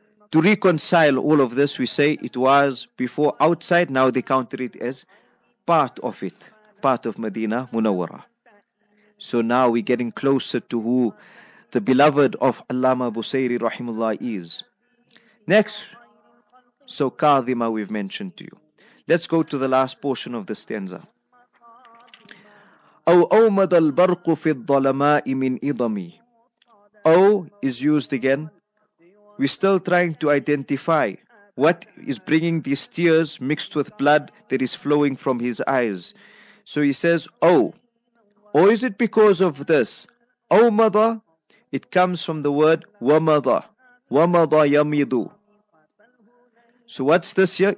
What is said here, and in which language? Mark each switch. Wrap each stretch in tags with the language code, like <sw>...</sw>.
<en>to reconcile all of this, we say it was before outside, now they counted it as part of it, part of Medina Munawwara. So now we're getting closer to who the beloved of Allama Busayri Rahimullah is. Next, so Kadhima we've mentioned to you. Let's go to the last portion of the stanza.</en> <ar>أو أومد البرق في الظلماء من إضمي.</ar> <en>O is used again. We're still trying to identify what is bringing these tears mixed with blood that is flowing from his eyes. So he says, oh, or is it because of this? Oh, mother, it comes from the word wamada, wamada yamidu. So what's this here?</en>